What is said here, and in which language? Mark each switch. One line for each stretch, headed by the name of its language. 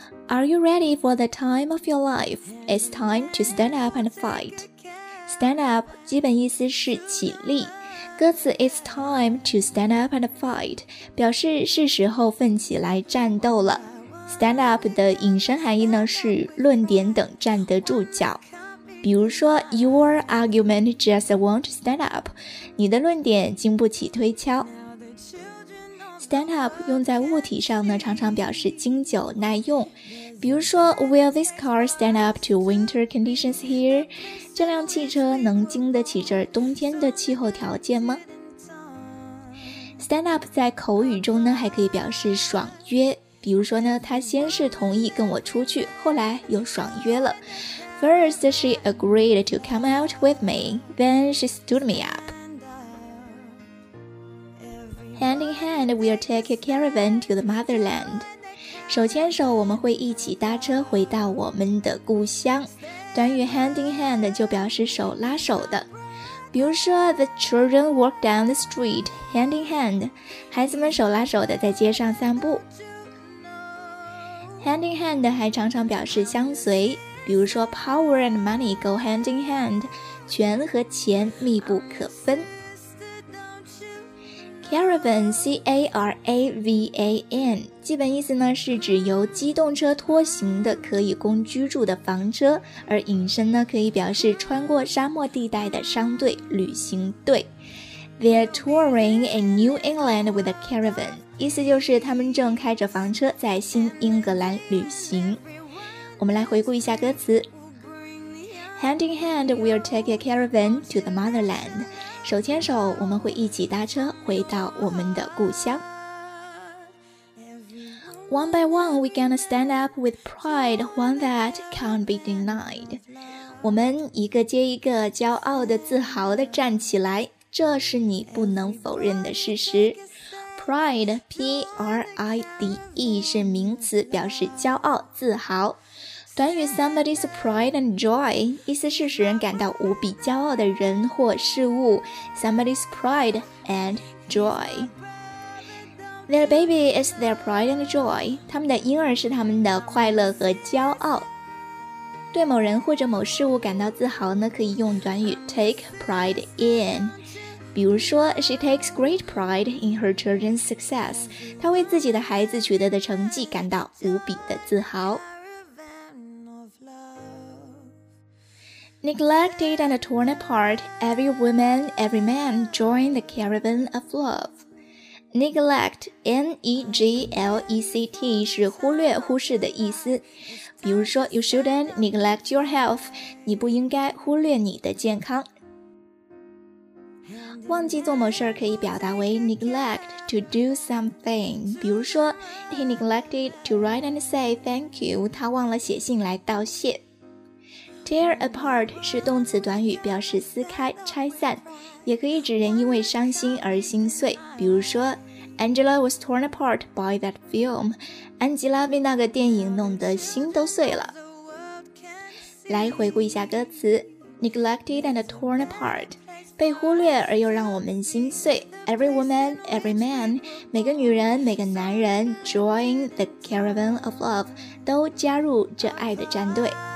English: Are you ready for the time of your life? It's time to stand up and fight.
Chinese: Stand up 基本意思是起立，歌词
English: It's time to stand up and fight
Chinese: 表示是时候奋起来战斗了。 Stand up 的引申含义呢是论点等站得住脚，比如说
English: Your argument just won't stand up，
Chinese: 你的论点经不起推敲。 Stand up 用在物体上呢，常常表示经久耐用，比如说
English: Will this car stand up to winter conditions here?
Chinese: 这辆汽车能经得起这冬天的气候条件吗？ Stand up 在口语中呢，还可以表示爽约，比如说呢，他先是同意跟我出去，后来又爽约了。
English: First she agreed to come out with me, then she stood me up. Hand in hand, we'll take a caravan to the motherland.
Chinese: 手牵手我们会一起搭车回到我们的故乡。短语 hand in hand 就表示手拉手的。比如说
English: the children walk down the street, hand in hand,
Chinese: 孩子们手拉手的在街上散步。 Hand in hand 还常常表示相随，比如说
English: power and money go hand in hand,
Chinese: 权和钱密不可分。 Caravan, C-A-R-A-V-A-N, 基本意思呢是指由机动车拖行的可以供居住的房车，而引申呢可以表示穿过沙漠地带的商队、旅行队。
English: They're touring in New England with a caravan,
Chinese: 意思就是他们正开着房车在新英格兰旅行。我们来回顾一下歌词。
English: Hand in hand, we'll take a caravan to the motherland.
Chinese: 手牵手我们会一起搭车回到我们的故乡。
English: One by one we gonna stand up with pride, one that can't be denied.
Chinese: 我们一个接一个骄傲的自豪的站起来，这是你不能否认的事实。 Pride, P-R-I-D-E 是名词，表示骄傲自豪。短语
English: somebody's pride and joy
Chinese: 意思是使人感到无比骄傲的人或事物。
English: Somebody's pride and joy. Their baby is their pride and joy.
Chinese: 他们的婴儿是他们的快乐和骄傲。对某人或者某事物感到自豪呢，可以用短语 take pride in。比如说
English: She takes great pride in her children's success.
Chinese: 她为自己的孩子取得的成绩感到无比的自豪。
English: Neglected and torn apart, every woman, every man join the caravan of love.
Chinese: Neglect, N-E-G-L-E-C-T 是忽略忽视的意思。比如说
English: You shouldn't neglect your health,
Chinese: 你不应该忽略你的健康。忘记做某事可以表达为 neglect to do something. 比如说
English: He neglected to write and say thank you,
Chinese: 他忘了写信来道谢。 Tear apart 是动词短语，表示撕开、拆散，也可以指人因为伤心而心碎。比如说
English: Angela was torn apart by that film，
Chinese: 安吉拉被那个电影弄得心都碎了。来回顾一下歌词
English: Neglected and torn apart，
Chinese: 被忽略而又让我们心碎。
English: Every woman, every man，
Chinese: 每个女人、每个男人
English: Join the caravan of love，
Chinese: 都加入这爱的战队。